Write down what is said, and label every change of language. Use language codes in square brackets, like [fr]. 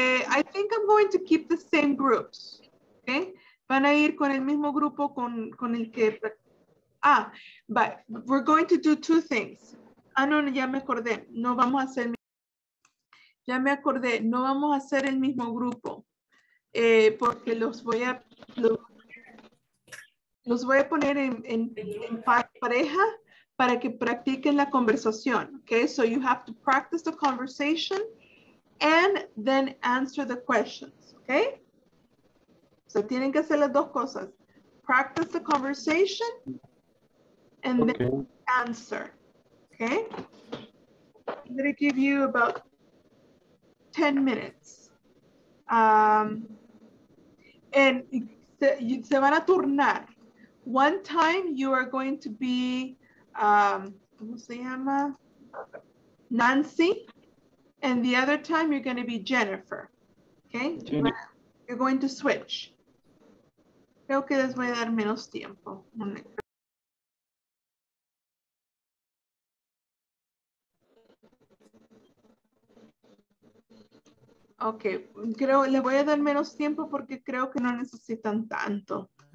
[en] I think I'm going to keep the same groups. Okay. [es] Van a ir con el mismo grupo con el que. [en] But we're going to do two things. [es] Ah, no, ya me acordé. No vamos a hacer. ya me acordé, no vamos a hacer el mismo grupo, porque los voy a poner en pareja para que practiquen la conversación, okay? [en] So you have to practice the conversation and then answer the questions, okay? So [es] tienen que hacer las dos cosas. [en] Practice the conversation and then answer, okay? I'm gonna give you about 10 minutes. [es] And se van a turnar. [en] One time you are going to be, [es] ¿cómo se llama? [en] Nancy. And the other time you're going to be Jennifer. Okay? Jennifer. You're going to switch. [es] Creo que les voy a dar menos tiempo. Okay, creo le voy a dar menos tiempo porque creo que no necesitan tanto.